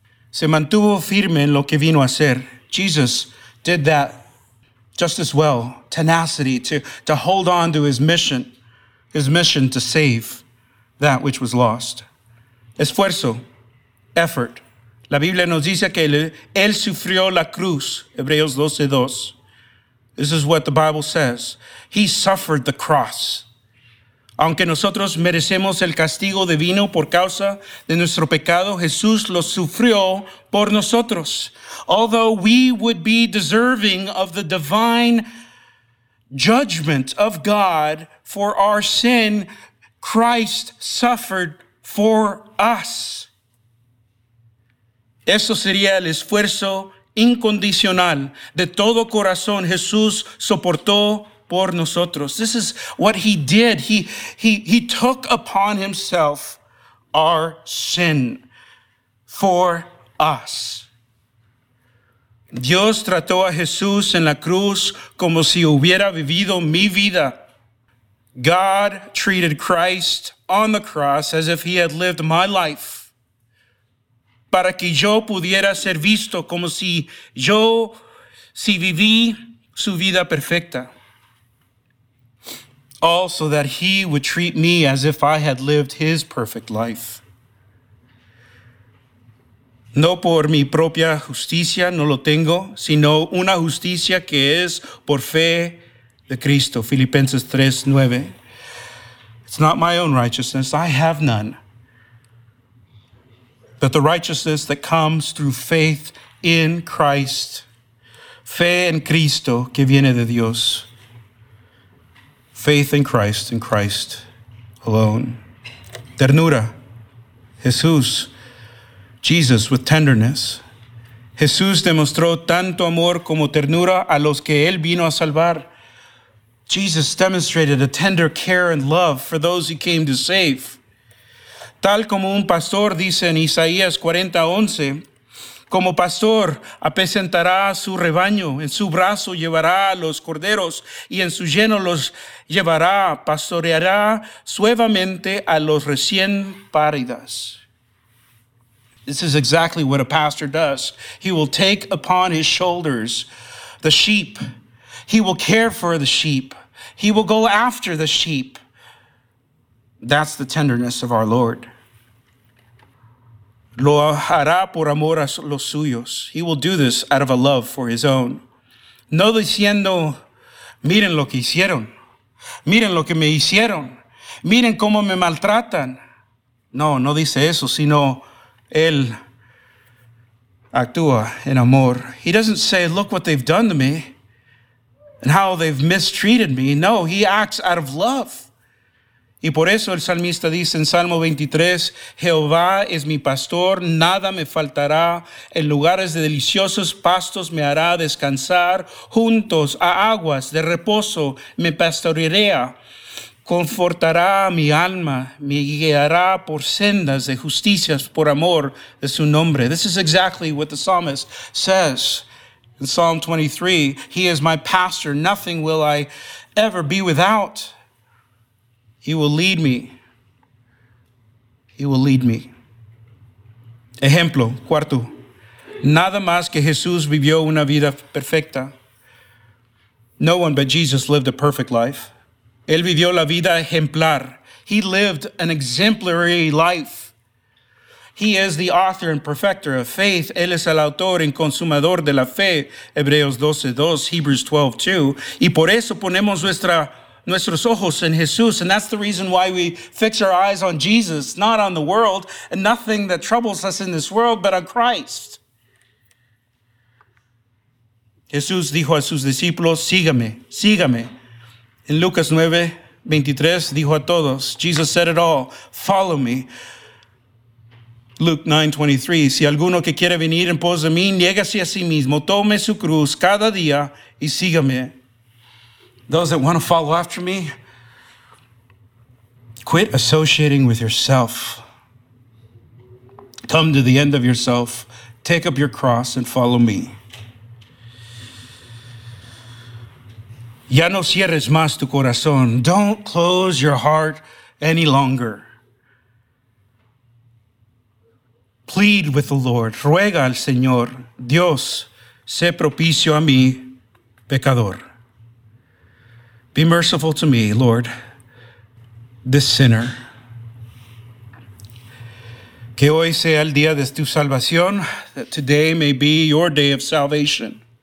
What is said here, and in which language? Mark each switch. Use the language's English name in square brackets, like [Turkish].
[Spanish] Se mantuvo firme en lo que vino a hacer. [English] Jesus did that just as well. Tenacity to hold on to his mission to save that which was lost. [Spanish] Esfuerzo, effort. La Biblia nos dice que él sufrió la cruz, Hebreos 12, 2. [English] This is what the Bible says. He suffered the cross. [Spanish] Aunque nosotros merecemos el castigo divino por causa de nuestro pecado, Jesús lo sufrió por nosotros. [English] Although we would be deserving of the divine judgment of God for our sin, Christ suffered for us. [Spanish] Eso sería el esfuerzo incondicional, de todo corazón, Jesús soportó por nosotros. [English] This is what he did. He took upon himself our sin for us. [Spanish] Dios trató a Jesús en la cruz como si hubiera vivido mi vida. [English] God treated Christ on the cross as if he had lived my life. [Spanish] Para que yo pudiera ser visto como si viví su vida perfecta. [English] Also that he would treat me as if I had lived his perfect life. [Spanish] No por mi propia justicia, no lo tengo, sino una justicia que es por fe de Cristo. [English] Filipenses 3:9. It's not my own righteousness, I have none. that the righteousness that comes through faith in Christ, [Spanish] fe en Cristo, que viene de Dios, [English] faith in Christ alone. Ternura, Jesús, Jesus with tenderness. [Spanish] Jesús demostró tanto amor como ternura a los que él vino a salvar. [English] Jesus demonstrated a tender care and love for those he came to save. [Spanish] Tal como un pastor dice en Isaías 40:11, como pastor apacentará su rebaño, en su brazo llevará los corderos y en su lleno los llevará, pastoreará suavemente a los recién paridos. [English] This is exactly what a pastor does. He will take upon his shoulders the sheep. He will care for the sheep. He will go after the sheep. That's the tenderness of our Lord. [Spanish] Lo hará por amor a los suyos. [English] He will do this out of a love for his own. [Spanish] No diciendo, miren lo que hicieron. Miren lo que me hicieron. Miren cómo me maltratan. No, no dice eso, sino él actúa en amor. [English] He doesn't say, look what they've done to me and how they've mistreated me. No, he acts out of love. [Spanish] Y por eso el salmista dice en Salmo 23, Jehová es mi pastor, nada me faltará. En lugares de deliciosos pastos me hará descansar. Juntos a aguas de reposo me pastorearía. Confortará mi alma, me guiará por sendas de justicia por amor de su nombre. [English] This is exactly what the psalmist says in Psalm 23. He is my pastor, nothing will I ever be without. He will lead me. He will lead me. [Spanish] Ejemplo, cuarto. Nada más que Jesús vivió una vida perfecta. [English] No one but Jesus lived a perfect life. [Spanish] Él vivió la vida ejemplar. [English] He lived an exemplary life. He is the author and perfecter of faith. [Spanish] Él es el autor y consumador de la fe. Hebreos 12:2, Hebrews 12:2. Y por eso ponemos nuestros ojos en Jesús. [English] And that's the reason why we fix our eyes on Jesus, not on the world and nothing that troubles us in this world, but on Christ. [Spanish] Jesús dijo a sus discípulos, sígame, sígame. In Lucas 9:23, dijo a todos, [English] Jesus said it all, follow me. [Spanish] Luke 9:23, si alguno que quiere venir en pos de mí, niégase a sí mismo, tome su cruz cada día y sígame. [English] Those that want to follow after me, quit associating with yourself. Come to the end of yourself, take up your cross and follow me. [Spanish] Ya no cierres más tu corazón. [English] Don't close your heart any longer. Plead with the Lord. [Spanish] Ruega al Señor. Dios, sé propicio a mí, pecador. [English] Be merciful to me, Lord, this sinner. [Spanish] Que hoy sea el día de tu salvación. [English] That today may be your day of salvation.